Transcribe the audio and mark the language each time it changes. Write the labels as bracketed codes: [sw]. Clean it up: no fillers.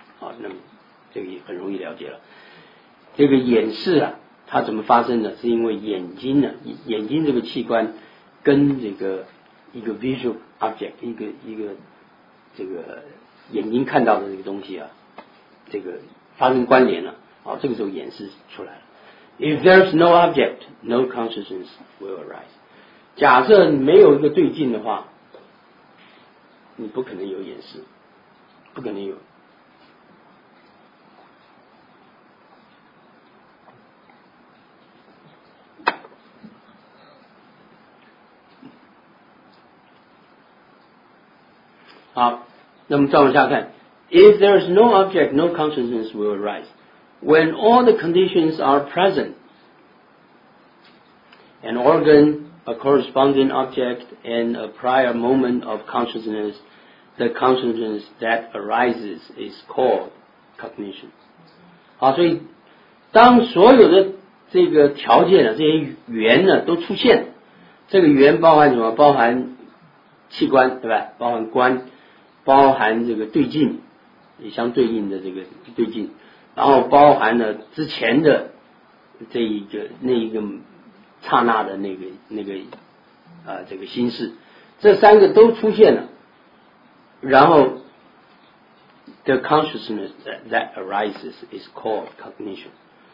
[zh] 好，那么这个也很容易了解了。这个眼视啊，它怎么发生的？是因为眼睛呢、啊，眼睛这个器官跟这个一个 visual object， 一个这个眼睛看到的这个东西啊，这个发生关联了。哦，这个时候眼视出来了。 [en] If there is no object, no consciousness will arise. [zh] 假设你没有一个对境的话，你不可能有眼视，不可能有。好，那么再往下看。 [en] If there is no object, no consciousness will arise. When all the conditions are present, an organ, a corresponding object, and a prior moment of consciousness, the consciousness that arises is called cognition. [zh] 好，所以当所有的这个条件呢，这些缘呢都出现，这个缘包含什么？包含器官，对吧？包含观，包含这个对境，也相对应的这个对境，然后包含了之前的这一个那一个刹那的那个这个心事，这三个都出现了，然后 [en] the consciousness that arises is called cognition。